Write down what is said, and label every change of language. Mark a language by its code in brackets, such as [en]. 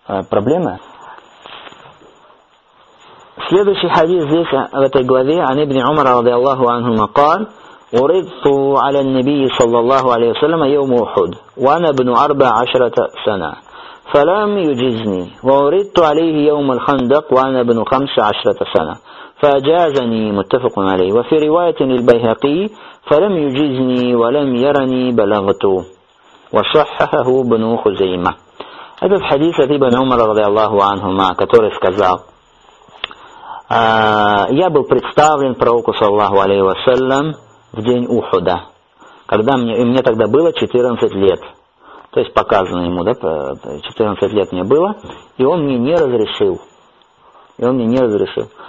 [ru] Проблема? Следующий хадис здесь, в этой главе, [ar] «Ан ибн Умар, радиаллаху анху макал, уридту аля ннабии, саллаллаху алейху саляма, йому ухуд, вана бну арба ашрата сана». فلم يجزني وأردت عليه يوم الخندق وأنا ابن 15 سنة فأجازني متفق عليه وفي رواية للبيهقي فلم يجزني ولم يرني بلغته وصححه ابن خزيمة. هذا الحديث عن ابن عمر رضي الله عنهما [ru] который сказал я был представлен пророку саллаллаху алейхи ва саллям в день Ухуда, когда мне тогда было 14 лет. То есть показано ему, да, 14 лет мне было, и он мне не разрешил. И он мне не разрешил.